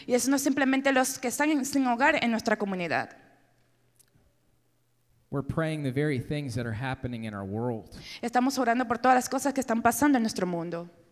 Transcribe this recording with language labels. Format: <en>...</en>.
<es>Y eso no es simplemente los que están sin hogar en nuestra comunidad.</es> <en>We're praying the very things that are happening in our world.</en> <es>Estamos orando por todas las cosas que están pasando en nuestro mundo.</es>